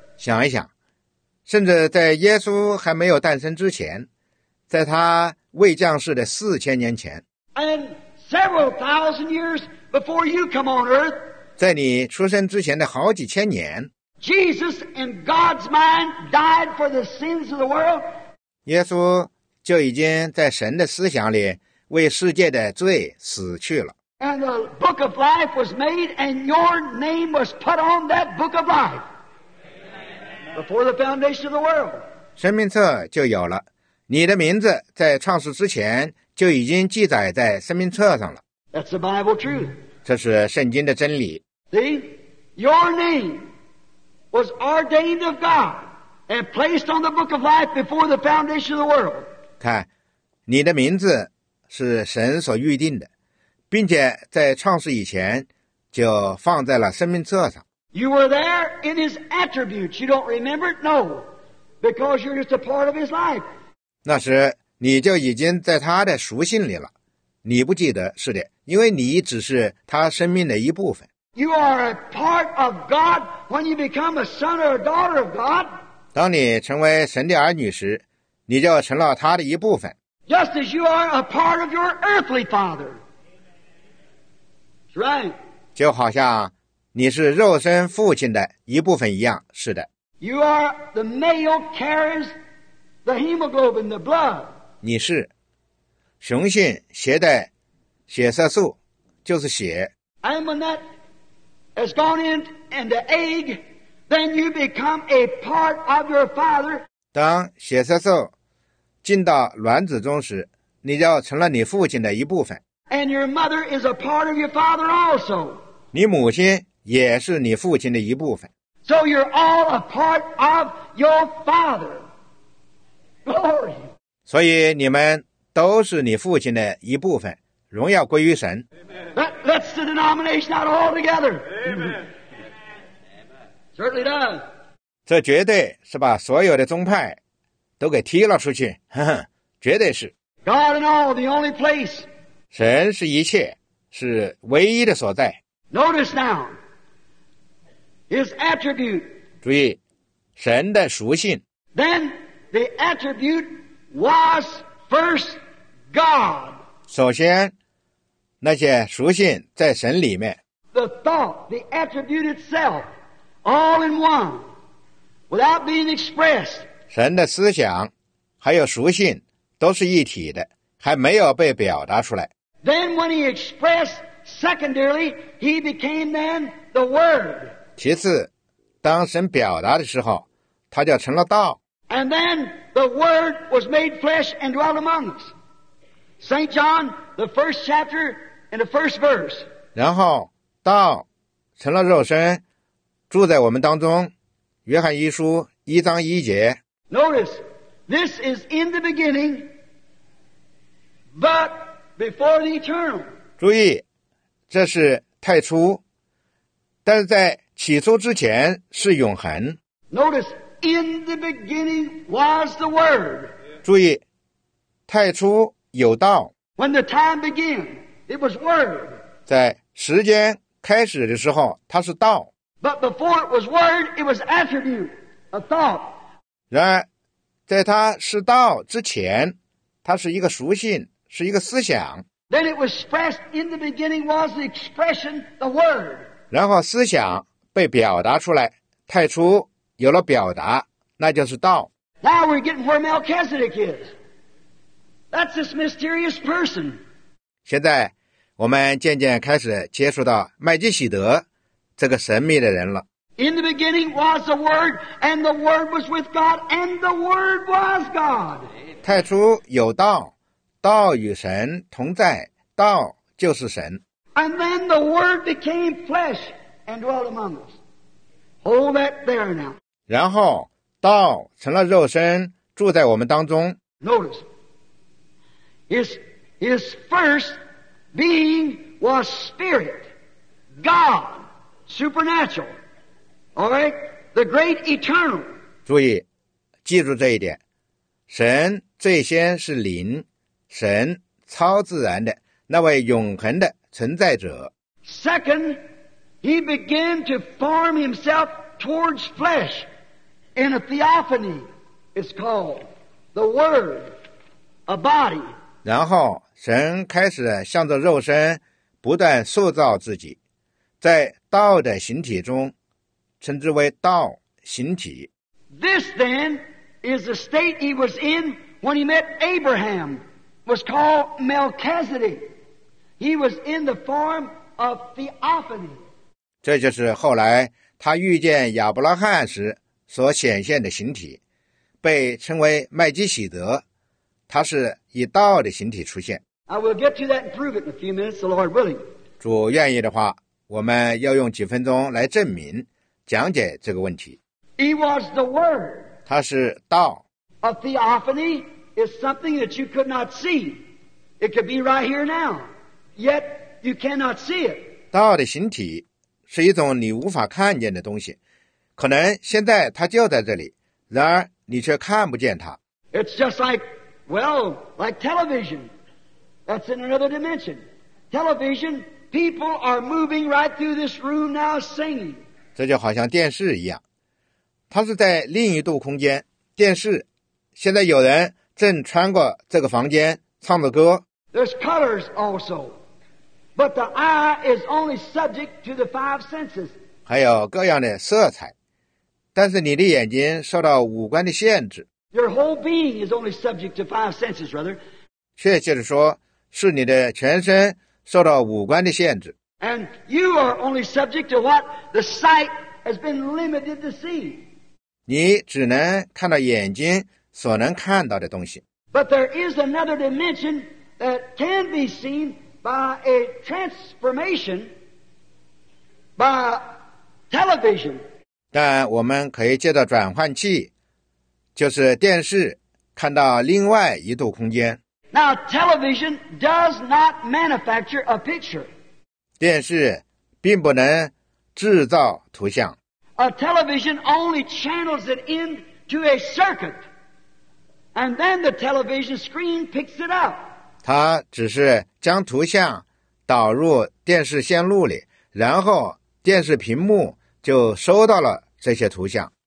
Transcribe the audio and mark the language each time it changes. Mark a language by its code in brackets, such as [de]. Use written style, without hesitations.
[zh] 想一想，甚至在耶稣还没有诞生之前，在他未降世的4000年前， [en] And several thousand years before you come on earth, [zh] 在你出生之前的好几千年， [en] Jesus in God's mind died for the sins of the world. [zh] 耶稣就已经在神的思想里为世界的罪死去了。 [en] And the book of life was made, and your name was put on that book of life before the foundation of the world. [zh] 生命册就有了，你的名字在创世之前就已经记载在生命册上了。 [en] That's the Bible truth. [zh] 这是圣经的真理。 [en] See, your name was ordained of God and placed on the book of life before the foundation of the world. [zh] 看，你的名字是神所预定的，并且在创世以前就放在了生命册上。 [en] You were there in his attributes. You don't remember it? No. Because you're just a part of his life. [zh] 那时你就已经在他的属性里了。你不记得，是的，因为你只是他生命的一部分。 [en] You are a part of God when you become a son or a daughter of God. [zh] 当你成为神的儿女时，你就成了他的一部分。 [en] Just as you are a part of your earthly father. That's right. [zh] 就好像你是肉身父亲的一部分一样，是的。 [en] You are the male carries the hemoglobin, the blood. [zh] 你是雄性携带血色素，就是血。 [en] And when that has gone in and the egg, then you become a part of your father. [zh] 当血色素进到卵子中时，你就成了你父亲的一部分。 [en] And your mother is a part of your father also. [zh] 你母亲也是你父亲的一部分。 [en] So you're all a part of your father. Glory. [zh] 所以你们都是你父亲的一部分，荣耀归于神。 [en] Let's the denomination out all together. Amen. Certainly does. [zh] 这绝对是把所有的宗派都给踢了出去，呵呵，绝对是。 [en] God and all, the only place. [zh] 神是一切，是唯一的所在。 [en] Notice now, his attribute. [zh] 注意，神的属性。 [en] Then the attribute was first God. [zh] 首先，那些属性在神里面。 [en] The thought, the attribute itself, all in one, without being expressed. [zh] 神的思想还有属性都是一体的，还没有被表达出来。 [en] Then when he expressed secondarily, he became then the word. [zh] 其次，当神表达的时候，他就成了道。 [en] And then the word was made flesh and dwelt among us. St. John, the first chapter and the first verse. [zh] 然后道成了肉身，住在我们当中。约翰一书一章一节。 [en] Notice, this is in the beginning, but before the eternal. [zh] 注意，这是太初，但是在起初之前是永恒。 [en] Notice, in the beginning was the word. [zh] 注意，太初有道。 [en] When the time began, it was word. [zh] 在时间开始的时候，它是道。 [en] But before it was word, it was attribute, a thought. [zh] 然而在他是道之前，他是一个属性，是一个思想。 [en] Then it was expressed in the beginning was the expression, the word. [zh] 然后思想被表达出来，太初有了表达，那就是道。 [en] Now we're getting where Melchizedek is. That's this mysterious person. [zh] 现在我们渐渐开始接触到麦基洗德这个神秘的人了。 [en] In the beginning was the Word, and the Word was with God, and the Word was God. [zh] 太初有道，道与神同在，道就是神。 [en] And then the Word became flesh and dwelt among us. Hold that there now. [zh] 然后道成了肉身住在我们当中。 [en] Notice, his first being was spirit, God, supernatural, all right, the great eternal. [zh] 注意，记住这一点，神最先是灵，神超自然的那位永恒的存在者。 [en] Second, he began to form himself towards flesh in a theophany, it's called the word, a body. [zh] 然后神开始向着肉身不断塑造自己，在道的形体中，称之为道形体。 [en] This then is the state he was in when he met Abraham, was called Melchizedek. He was in the form of theophany. [zh] 这就是后来他遇见亚伯拉罕时所显现的形体，被称为麦基洗德，他是以道的形体出现。 [en] I will get to that and prove it in a few minutes, the Lord willing. [zh] 主愿意的话，我们要用几分钟来证明、讲解这个问题。 [en] He was the Word. [zh] 他是道。 [en] A theophany is something that you could not see. It could be right here now, yet you cannot see it. [zh] 道的形体是一种你无法看见的东西，可能现在它就在这里，然而你却看不见它。 [en] It's just like, well, like television. That's in another dimension. Television, people are moving right through this room now singing. [zh] 这就好像电视一样，它是在另一度空间，电视，现在有人正穿过这个房间唱着歌。 [en] There's colors also, but the eye is only subject to the five senses. [zh] 还有各样的色彩，但是你的眼睛受到五官的限制。 [en] Your whole being is only subject to five senses, brother. [zh] 确切地说，是你的全身受到五官的限制。 [en] And you are only subject to what the sight has been limited to see. [zh] 你只能看到眼睛所能看到的东西。 [en] But there is another dimension that can be seen by a transformation by television. [zh] 但我们可以借着转换器，就是电视，看到另外一度空间。 [en] Now, television does not manufacture a picture. [zh] 电视并不能制造图像。 [en] A television only channels it into a circuit, and then the television screen picks it up. [zh] 它只是将图像导入电视线路里，然后电视屏幕就收到了这些图像。